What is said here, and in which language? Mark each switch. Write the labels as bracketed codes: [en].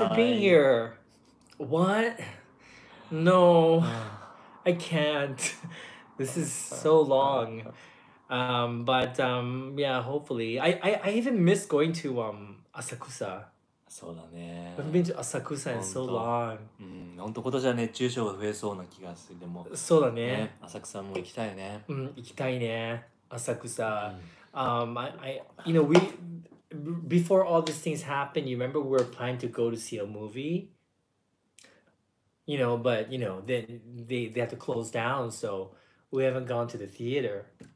[en] Much for being here. What? No. I can't. This is so long, but yeah, hopefully. I even miss going to Asakusa. [ja] そうだね。 [en] I haven't been to Asakusa in so long. [ja] うん、本当今年は熱中症が増えそうな気がする。でも、そうだね。浅草も行きたいね。うん、行きたいね。Asakusa. [en] I you know, we before all these things happened, you remember we were planning to go to see a movie? You know, but you know, then they had to close down, so we haven't gone to the theater.